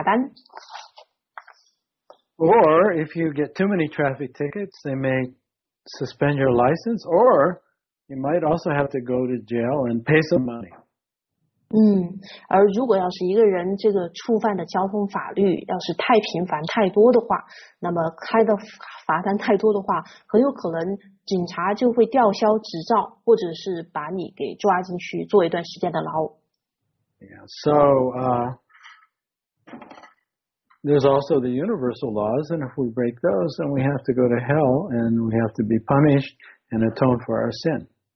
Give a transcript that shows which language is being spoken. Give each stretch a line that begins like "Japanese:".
Chinese: 或者是要是一个人在开车的时候，就是被开了罚单，然后触犯了这个交通法，那么可能不会去坐牢，但是的话却也不得不去，就是去进行一些这种赎罪的行为，比如说交罚单。Or
English: if you get too many traffic tickets, they may suspend your license, or you might also have to go to jail and pay some money.
Chinese: 而如果要是一个人这个触犯的交通法律要是太频繁太多的话，那么开的罚单太多的话，很有可能警察就会吊销执照，或者是把你给抓进去坐一段时间的牢。Yeah,
English: so there's also the universal laws, and if we break those, then we have to go to hell, and we have to be punished and atone for our sin.